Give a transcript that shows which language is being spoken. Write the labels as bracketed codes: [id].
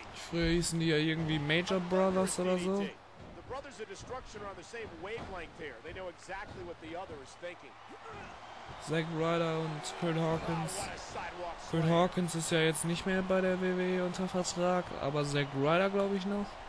[de] Früher hießen die ja irgendwie Major Brothers oder so. [en] Brothers of Destruction are on the same wavelength here. They know exactly what the other is thinking. [de] Zack Ryder und Kurt Hawkins. Kurt Hawkins ist ja jetzt nicht mehr bei der WWE unter Vertrag, aber Zack Ryder glaube ich noch.